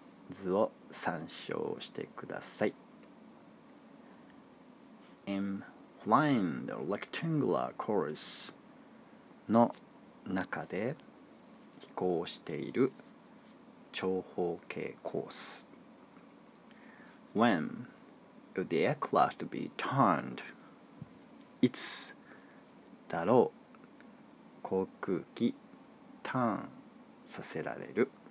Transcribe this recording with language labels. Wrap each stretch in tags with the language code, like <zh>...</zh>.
<ja>図を参照してください。</ja> <en>In flying the rectangular course</en> <ja>の中で飛行している長方形コース。</ja> <en>When will the aircraft be turned?</en> <ja>いつだろう航空機ターンさせられる。</ja>